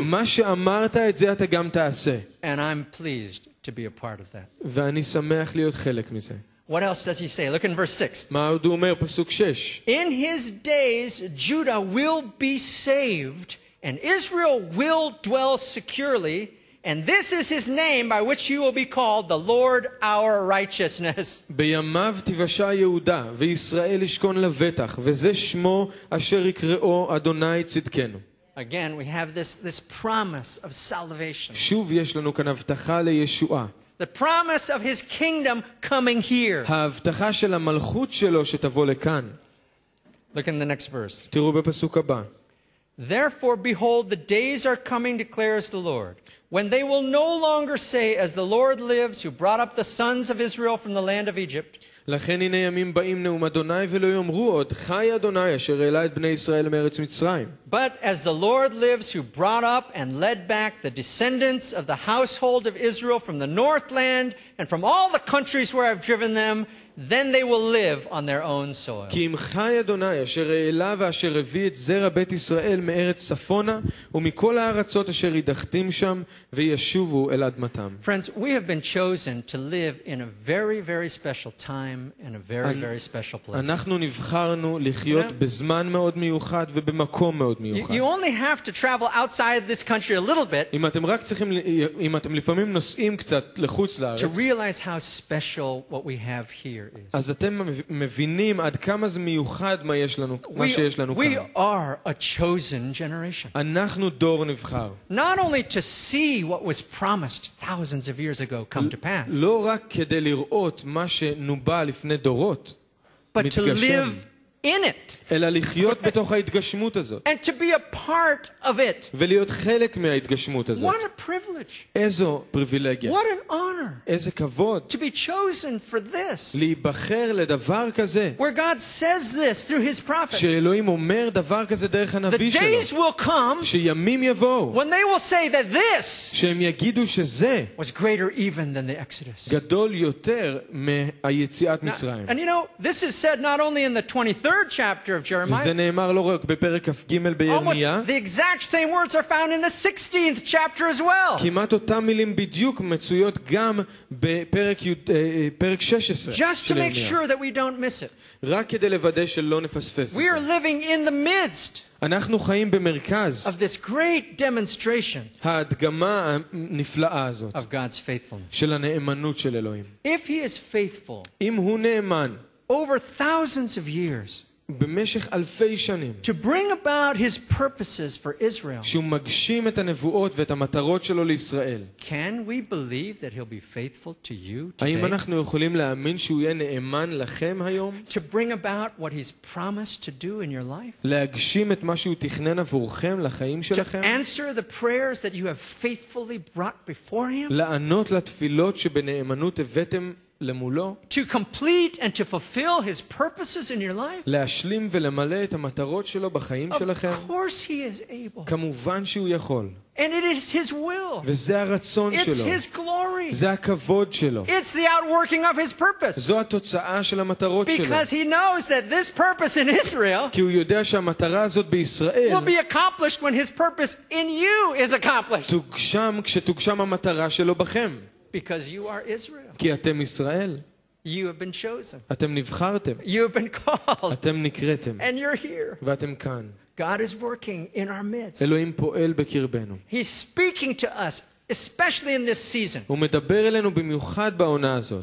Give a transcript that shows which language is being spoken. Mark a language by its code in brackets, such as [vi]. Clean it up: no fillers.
[he] מה שאמרת את זה אתה גם תעשה. [en] And I'm pleased to be a part of that. [he] ואני שמח להיות חלק מזה. [en] What else does he say? Look in verse 6. [he] מה עוד הוא אומר פסוק 6? [en] In his days Judah will be saved and Israel will dwell securely, and this is his name by which he will be called, the Lord our righteousness. [he] בימיו תבשה יהודה וישראל ישכון לבטח, וזה שמו אשר יקראו אדוני צדקנו. [en] Again, we have this promise of salvation. [he] שוב יש לנו כאן הבטחה לישועה. [en] The promise of his kingdom coming here. [he] ההבטחה של המלכות שלו שתבוא לכאן. [en] Look in the next verse. [he] תראו בפסוק הבא. [en] Therefore, behold, the days are coming, declares the Lord, when they will no longer say, as the Lord lives, who brought up the sons of Israel from the land of Egypt. [he] לכן הנה ימים באים נאום אדוני ולא יאמרו עוד חי אדוני אשר העלה את בני ישראל מארץ מצרים. [en] But as the Lord lives who brought up and led back the descendants of the household of Israel from the northland and from all the countries where I've driven them, then they will live on their own soil. [he] כי אם חי אדוני אשר העלה ואשר הביא את זרע בית ישראל מארץ צפונה ומכל הארצות אשר הדחתים שם וישובו אל אדמתם. [en] Friends, we have been chosen to live in a very, very special time and a very, very special place. [he] אנחנו נבחרנו לחיות בזמן מאוד מיוחד ובמקום מאוד מיוחד. [en] You only have to travel outside this country a little bit. [he] אם אתם לפעמים נוסעים קצת לחוץ לארץ. [en] To realize how special what we have here is. [he] אז אתם מבינים עד כמה זה מיוחד מה יש לנו, מה שיש לנו כאן. [en] We are a chosen generation. [he] אנחנו דור נבחר. [en] Not only to see what was promised thousands of years ago come to pass. [he] לא רק כדי לראות מה שנובא לפני דורות, [en] but to live in it. [he] אלא לחיות בתוך ההתגשמות הזאת. [en] And to be a part of it. [he] ולהיות חלק מההתגשמות הזאת. [en] What a privilege. [he] איזו פריבילגיה. [en] What an honor. [he] איזה כבוד. [en] To be chosen for this. [he] להיבחר לדבר כזה. [en] Where God says this through his prophet. [he] שאלוהים אומר דבר כזה דרך הנביא שלו. [en] The days will come. [he] שימים יבואו. [en] When they will say that this. [he] שהם יגידו שזה. [en] Was greater even than the Exodus. [he] גדול יותר מהיציאת מצרים. [en] And you know, this is said not only in the 23rd chapter of Jeremiah. [he] וזה נאמר לא רק בפרק כ"ג בירמיה. [en] Almost the exact same words are found in the 16th chapter as well. [he] כמעט אותם מילים בדיוק מצויות גם בפרק 16. [en] Just to make sure that we don't miss it. [he] רק כדי לוודא שלא נפספס. [en] We are living in the midst. [he] אנחנו חיים במרכז. [en] Of this great demonstration. [he] ההדגמה הנפלאה הזאת. [en] Of God's faithfulness. [he] של הנאמנות של אלוהים. [en] If he is faithful. [he] אם הוא נאמן. [en] Over thousands of years. [he] במשך אלפי שנים. [en] To bring about his purposes for Israel. [he] שהוא מגשים את הנבואות ואת המטרות שלו לישראל. [en] Can we believe that he'll be faithful to you today? [he] האם אנחנו יכולים להאמין שהוא יהיה נאמן לכם היום? [en] To bring about what he's promised to do in your life? [he] להגשים את מה שהוא תכנן עבורכם לחיים שלכם? [en] To answer the prayers that you have faithfully brought before him? [he] לענות לתפילות שבנאמנות הבאתם למולו, [en] to complete and to fulfill his purposes in your life? [he] להשלים ולמלא את המטרות שלו בחיים שלכם? [en] Of course he is able. [he] כמובן שהוא יכול. [en] And it is his will. [he] וזה הרצון [en] it's [he] שלו. [en] It's his glory. [he] זה הכבוד שלו. [en] It's the outworking of his purpose. [he] זו התוצאה של המטרות [en] because [he] שלו. [en] Because he knows that this purpose in Israel. [he] כי הוא יודע שהמטרה הזאת בישראל. [en] Will be accomplished when his purpose in you is accomplished. [he] תוגשם כשתוגשם המטרה שלו בכם. [en] Because you are Israel. [he] כי אתם ישראל. [en] You have been chosen. [he] אתם נבחרתם. [en] You have been called. [he] אתם נקראתם. [en] And you're here. [he] ואתם כאן. [en] God is working in our midst. [he] אלוהים פועל בקרבנו. [en] He's speaking to us, especially in this season. [he] הוא מדבר אלינו במיוחד בעונה הזאת.